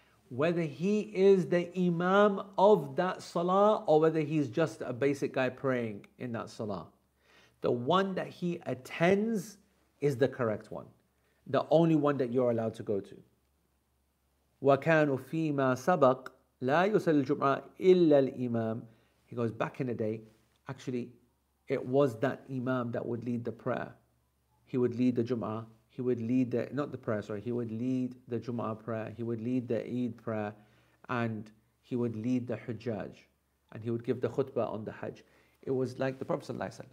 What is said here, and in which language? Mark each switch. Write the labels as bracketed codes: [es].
[en] Whether he is the imam of that salah or whether he's just a basic guy praying in that salah, the one that he attends is the correct one. The only one that you're allowed to go to. [ar] وَكَانُوا فِي مَا سَبَقَ لا يصلي الجمعة إلا الإمام. [en] He goes, back in the day, actually, it was that Imam that would lead the prayer. He would lead the Jum'ah. He would lead the, not the prayer, sorry. He would lead the Jum'ah prayer. He would lead the Eid prayer. And he would lead the Hujjaj. And he would give the khutbah on the Hajj. It was like the Prophet ﷺ.